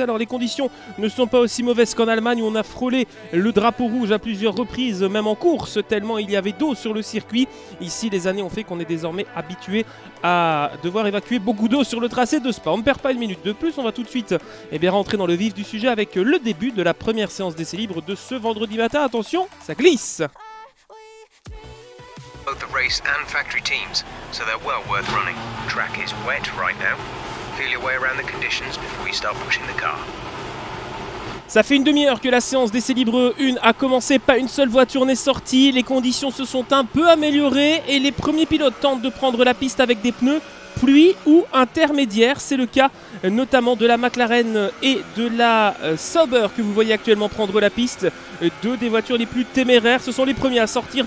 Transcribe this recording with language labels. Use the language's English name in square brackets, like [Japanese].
[French] Alors les conditions ne sont pas aussi mauvaises qu'en Allemagne où on a frôlé le drapeau rouge à plusieurs reprises, même en course, tellement il y avait d'eau sur le circuit. Ici, les années ont fait qu'on est désormais habitué à devoir évacuer beaucoup d'eau sur le tracé de Spa. On ne perd pas une minute de plus, on va tout de suite rentrer dans le vif du sujet avec le début de la première séance d'essai libre de ce vendredi matin. Attention, ça glisse. [English] Both the race and factory teams, so they're well worth running. Track is wet right now. Feel your way around the conditions before you start pushing the car. [French] Ça fait une demi-heure que la séance d'essai libre 1 a commencé, pas une seule voiture n'est sortie, les conditions se sont un peu améliorées et les premiers pilotes tentent de prendre la piste avec des pneus pluie ou intermédiaire, c'est le cas notamment de la McLaren et de la Sauber que vous voyez actuellement prendre la piste, deux des voitures les plus téméraires, ce sont les premiers à sortir.